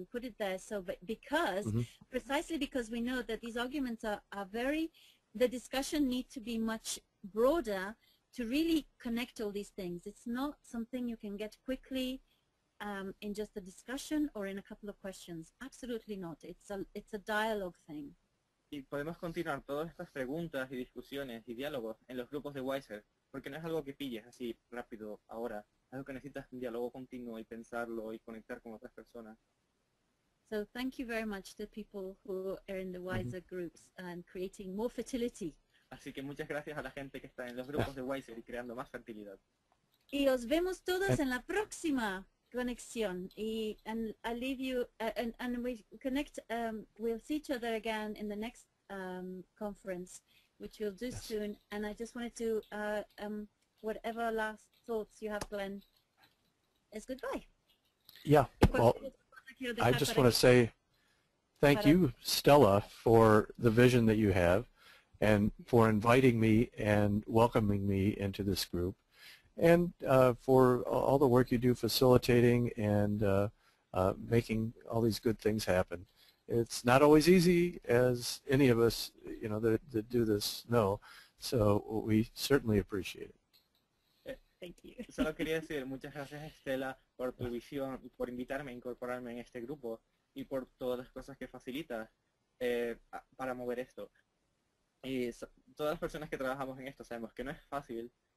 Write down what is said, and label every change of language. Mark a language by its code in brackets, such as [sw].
[en] We put it there so because precisely because we know that these arguments are very, the discussion need to be much broader to really connect all these things. It's not something you can get quickly in just a discussion or in a couple of questions. Absolutely not. It's a dialogue thing. [es] Y podemos continuar todas estas preguntas y discusiones y diálogos en los grupos de Wiser, porque no es algo que pilles así rápido ahora. Es algo que necesitas un diálogo continuo y pensarlo y conectar con otras personas. [en] So thank you very much to people who are in the Wiser groups and creating more fertility. [es] Así que muchas gracias a la gente que está en los grupos de Wiser y creando más fertilidad. Y os vemos todos en la próxima. Conexión. [en] And I leave you, and we connect, we'll see each other again in the next conference, which we'll do soon. And I just wanted to, whatever last thoughts you have, Glenn, is goodbye. Yeah, well, I just want to say thank you, Stella, for the vision that you have and for inviting me and welcoming me into this group. And for all the work you do facilitating and making all these good things happen. It's not always easy, as any of us, you know, that do this know. So we certainly appreciate it. Thank you. [es] Solo quería decir muchas gracias, Estela, por tu visión, por invitarme a incorporarme en este grupo y por todas las cosas que facilitas para mover esto. Y todas las personas que trabajamos en esto sabemos que no es fácil.